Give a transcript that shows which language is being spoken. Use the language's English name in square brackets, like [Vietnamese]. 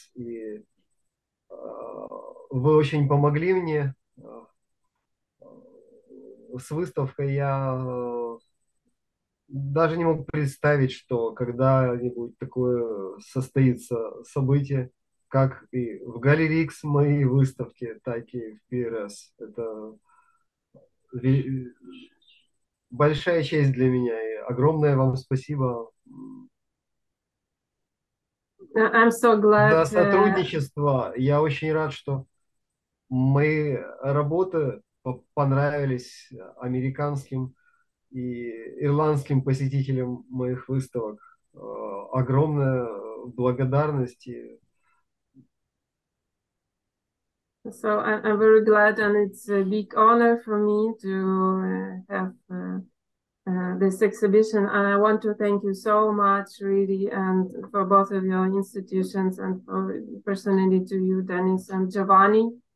[Ukrainian] І ви дуже допомогли мені з виставкою. [Russian] Я даже не мог представить, что когда-нибудь такое состоится событие, как и в GalleryX моей выставки, так и в PRS. Это большая честь для меня, и огромное вам спасибо. [English] I'm so glad. [Russian] За сотрудничество. Я очень рад, что мои работы понравились американским и ирландским посетителям моих выставок. Огромная благодарность. [English] So I'm very glad, and it's a big honor for me to have this exhibition. And I want to thank you so much, really, and for both of your institutions, and for personally to you, Dennis and Giovanni.